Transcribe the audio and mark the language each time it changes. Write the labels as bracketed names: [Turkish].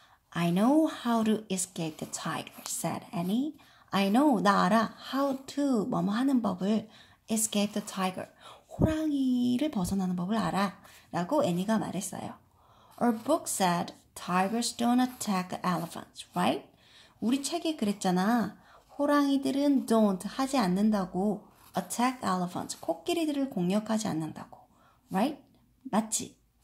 [English] I know how to escape the tiger, said Annie. I know, [Korean] 나 알아. [English] How to, [Korean] 뭐뭐 하는 법을. [English] Escape the tiger. [Korean] 호랑이를 벗어나는 법을 알아. 라고 애니가 말했어요. [English] Our book said tigers don't attack elephants, right? [Korean] 우리 책에 그랬잖아. 호랑이들은 don't 하지 않는다고. [English] Attack elephants, [Korean] 코끼리들을 공격하지 않는다고. [English] Right? [Korean] 맞지?